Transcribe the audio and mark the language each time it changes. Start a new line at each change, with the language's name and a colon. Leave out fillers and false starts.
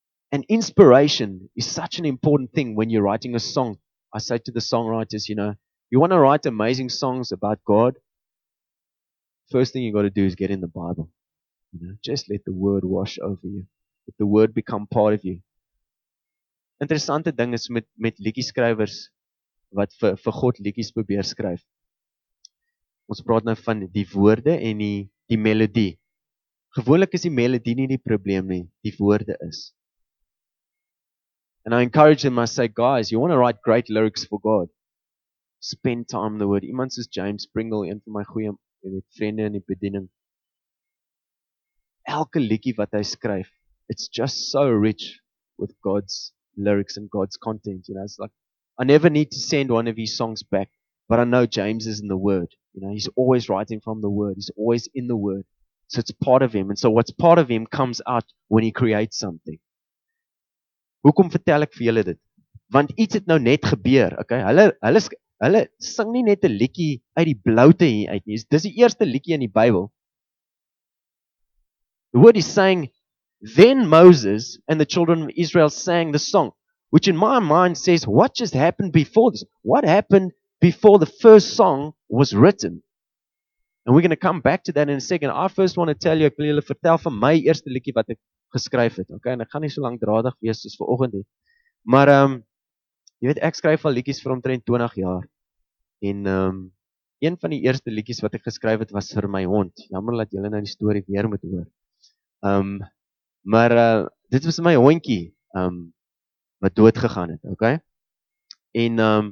English: And inspiration is such an important thing when you're writing a song. I say to the songwriters, you know, you want to write amazing songs about God? First thing you got to do is get in the Bible. You know, just let the word wash over you. Let the word become part of you.
Afrikaans: Interessante ding is met liedjieskrywers wat vir God liedjies probeer skryf. Ons praat nou van die woorde en die melodie. Gewoonlik is die melodie nie die probleem nie, die woorde is.
English: And I encourage them, I say, guys, you want to write great lyrics for God, spend time in the word.
Afrikaans: Iemand soos James Pringle, een van my goeie vriende in die bediening. Elke liedjie wat hy skryf,
English: it's just so rich with God's lyrics and God's content. You know, it's like, I never need to send one of his songs back, but I know James is in the word. You know, he's always writing from the word. He's always in the word. So it's part of him. And so what's part of him comes out when he creates something.
Afrikaans: Hoekom vertel ek vir julle dit? Want iets het nou net gebeur, okay? Hulle sing nie net 'n liedjie uit die bloute hier uit nie. Dis die eerste liedjie in die Bybel.
English: The word is saying, then Moses and the children of Israel sang the song, which in my mind says, what just happened before this? What happened before the first song was written? And we're going to come back to that in a second. I first want to tell you,
Afrikaans: ek wil julle vertel van my eerste liedjie wat ek geskryf het, okay, en ek gaan nie so lankdradig wees soos vanoggend nie, maar jy weet, ek skryf al liedjies vir omtrent 20 jaar, en een van die eerste liedjies wat ek geskryf het was vir my hond, jammer dat julle nou die story weer moet hoor, maar dit was my hondjie, wat dood gegaan het, okay, en